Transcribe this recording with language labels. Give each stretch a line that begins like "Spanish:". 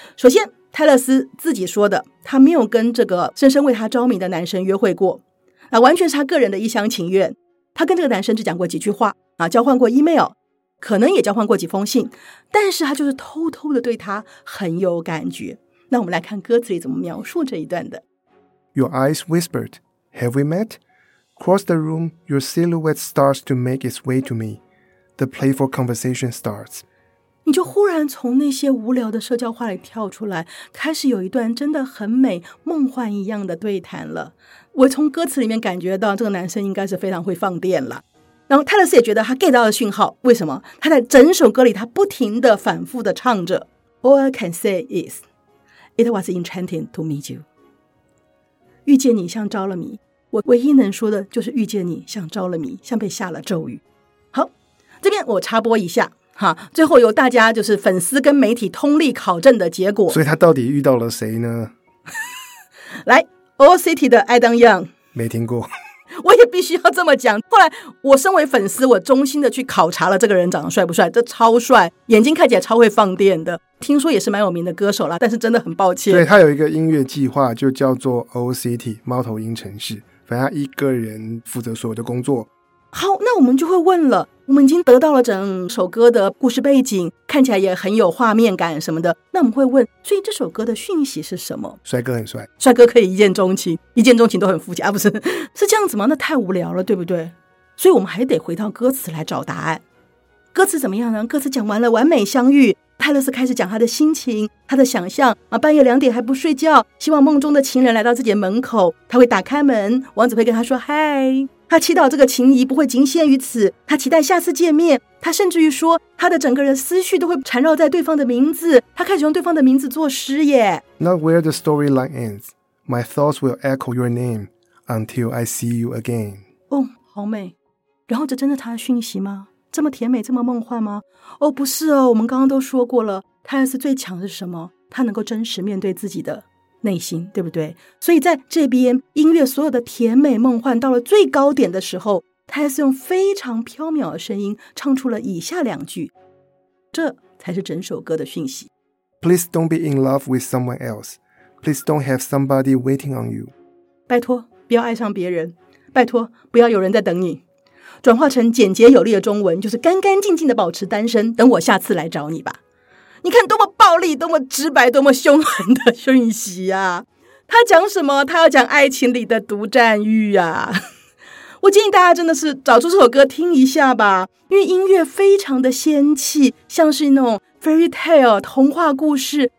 Chinese: 首先泰勒斯自己说的，他没有跟这个深深为他着迷的男生约会过，那完全是他个人的一厢情愿。他跟这个男生只讲过几句话、啊、交换过 email，可能也交换过几封信，但是他就是偷偷的对他很有感觉。那我们来看歌词里怎么描述这一段的。
English: Your eyes whispered, have we met? Cross the room, your silhouette starts to make its way to me. The playful conversation starts.
Chinese: 你就忽然从那些无聊的社交话里跳出来，开始有一段真的很美梦幻一样的对谈了。我从歌词里面感觉到这个男生应该是非常会放电了。然后泰勒斯也觉得他 get 到了讯号，为什么？他在整首歌里他不停地反复地唱着
English: All I can say is， It was enchanting to meet you.
Chinese: 遇见你像着了迷，我唯一能说的就是遇见你像着了迷，像被下了咒语。好，这边我插播一下哈，最后由大家就是粉丝跟媒体通力考证的结果。所以他到底遇到了谁呢？来 ，All City 的 Adam Young，没听过。我也必须要这么讲，后来我身为粉丝，我衷心的去考察了这个人长得帅不帅，这超帅，眼睛看起来超会放电的，听说也是蛮有名的歌手啦，但是真的很抱歉。对，他有一个音乐计划就叫做 OCT 猫头鹰城市，反正他一个人负责所有的工作。好，那我们就会问了，我们已经得到了整首歌的故事背景，看起来也很有画面感什么的，那我们会问，所以这首歌的讯息是什么？帅哥很帅，帅哥可以一见钟情，一见钟情都很肤浅啊，不是，是这样子吗？那太无聊了，对不对？所以我们还得回到歌词来找答案。歌词怎么样呢？歌词讲完了完美相遇，泰勒斯开始讲他的心情，他的想象啊，半夜两点还不睡觉，希望梦中的情人来到自己的门口，他会打开门，王子会跟他说嗨，他祈祷这个情谊不会仅限于此，他期待下次见面，他甚至于说他的整个人思绪都会缠绕在对方的名字，他开始用对方的名字作诗耶。
English: Not where the storyline ends, my thoughts will echo your name until I see you again.
Chinese: 哦，好美。然后这真的他的讯息吗？这么甜美，这么梦幻吗？哦，不是哦，我们刚刚都说过了，泰勒斯最强的是什么？他能够真实面对自己的内心，对不对？所以在这边音乐所有的甜美梦幻到了最高点的时候，他还是用非常飘渺的声音唱出了以下两句，这才是整首歌的讯息。
English: Please don't be in love with someone else. Please don't have somebody waiting on you.
Chinese: 拜托不要爱上别人，拜托不要有人在等你。转化成简洁有力的中文，就是干干净净的保持单身，等我下次来找你吧。你看多么暴力，多么直白，多么凶狠的讯息啊。他讲什么？他要讲爱情里的独占欲啊。我建议大家真的是找出这首歌听一下吧，因为音乐非常的仙气，像是那种 fairy tale 童话故事。